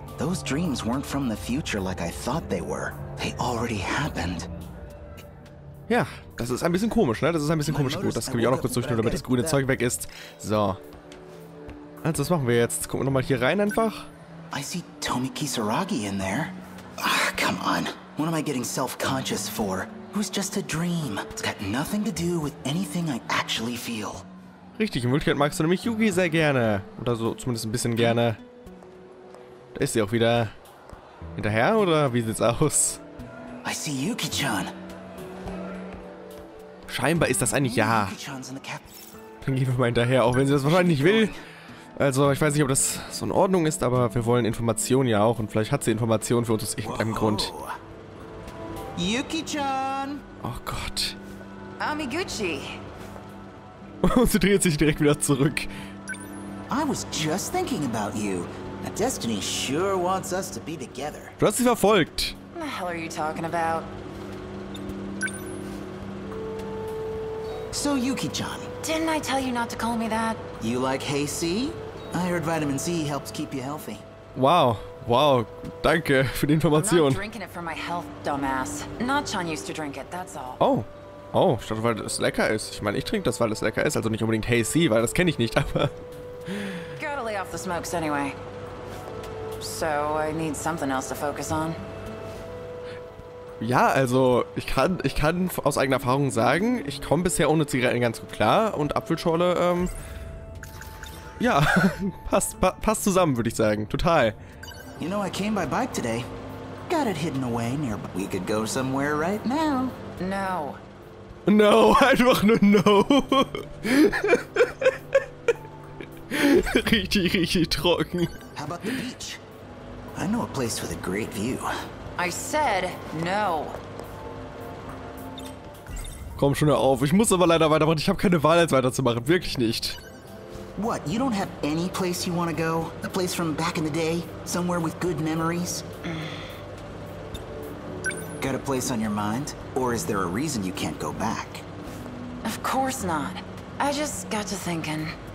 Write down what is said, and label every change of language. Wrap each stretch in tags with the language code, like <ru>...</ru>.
<en>Those dreams weren't from the future like I thought they were. They already happened.</en> <de>Ja, das ist ein bisschen komisch, ne? Das ist ein bisschen komisch. Gut, das können wir auch noch kurz durchnehmen, damit das grüne Zeug weg ist. So. Also, was machen wir jetzt? Gucken wir nochmal hier rein einfach.</de> <en>I see Tomi Kisaragi in there. Ah, come on. What am I getting self-conscious for? It was just a dream. It's got nothing to do with anything I actually feel.</en> <de>Richtig, in Wirklichkeit magst du nämlich Yugi sehr gerne. Oder so zumindest ein bisschen gerne. Da ist sie auch wieder hinterher, oder wie sieht's aus?</de> <en>I see Yuki-chan.</en> <de>Scheinbar ist das ein Ja. Dann gehen wir mal hinterher, auch wenn sie das wahrscheinlich nicht will. Also, ich weiß nicht, ob das so in Ordnung ist, aber wir wollen Informationen ja auch. Und vielleicht hat sie Informationen für uns aus irgendeinem Grund. Yuki-chan! Oh Gott. Amiguchi! Und sie dreht sich direkt wieder zurück.</de> <en>I was just thinking about you. Destiny sure wants us to be together.</en> <de>Du hast sie verfolgt.</de> <en>What the hell are you talking about? So Yuki-chan. Didn't I tell you not to call me that? You like Hey C? I heard Vitamin C helps keep you healthy. Wow. Wow.</en> <de>Danke für die Information.</de> <en>I'm not drinking it for my health, dumbass. Not-chan used to drink it, that's all. Oh.</en> <de>Oh, ich dachte, weil es lecker ist. Ich meine, ich trinke das, weil es lecker ist. Also nicht unbedingt Hey C, weil das kenne ich nicht, aber...</de> <en>Gotta lay off the smokes anyway. So, I need something else to focus on.</en> <de>Ja, also, ich kann aus eigener Erfahrung sagen, ich komme bisher ohne Zigaretten ganz gut klar und Apfelschorle, ja, passt zusammen, würde ich sagen. Total.</de> <en>You know, I came by bike today. Got it hidden away nearby. We could go somewhere right now. No.</en> <de>No, einfach nur no. Richtig, richtig trocken.</de> <en>How about the beach? I know a place with a great view. I said no.</en> <de>Komm schon, hör auf. Ich muss aber leider weitermachen. Ich habe keine Wahl, jetzt weiterzumachen. Wirklich nicht.</de> <en>What? You don't have any place you want to go? A place from back in the day? Somewhere with good memories? Got a place on your mind? Or is there a reason you can't go back? Of course not. I just got to thinking.</en>